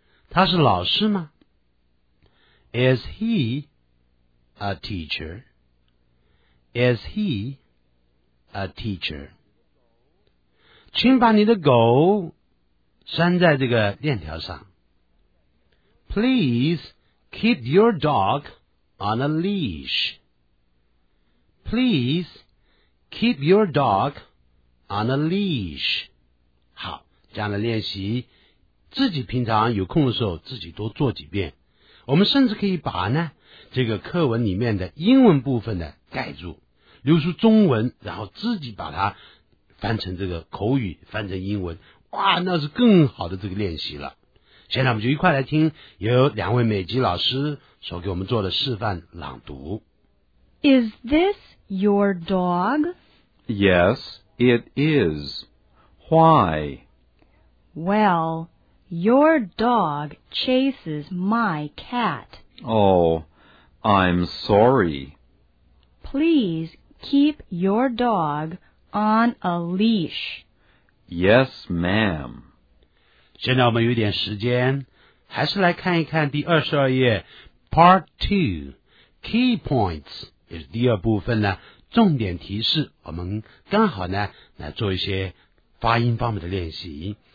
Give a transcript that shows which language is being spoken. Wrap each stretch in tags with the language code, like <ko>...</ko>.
<zh>他是老师吗？</zh> <en>Is he a teacher? Is he a teacher?</en> <zh>请把你的狗拴在这个链条上。</zh> <en>Please keep your dog on a leash. Please keep your dog on a leash.</en> <zh>好，这样的练习，自己平常有空的时候自己多做几遍。我们甚至可以把呢这个课文里面的英文部分呢盖住，留出中文，然后自己把它翻成这个口语，翻成英文，哇，那是更好的这个练习了。现在我们就一块来听由两位美籍老师所给我们做的示范朗读。</zh> <en>Is this your dog? Yes, it is. Why? Well,Your dog chases my cat. Oh, I'm sorry. Please keep your dog on a leash. Yes, ma'am.</en> <zh>现在我们有点时间，还是来看一看第22页</zh> <en>Part 2 Key points</en> <zh>也是第二部分呢重点提示，我们刚好呢来做一些发音方面的练习。</zh>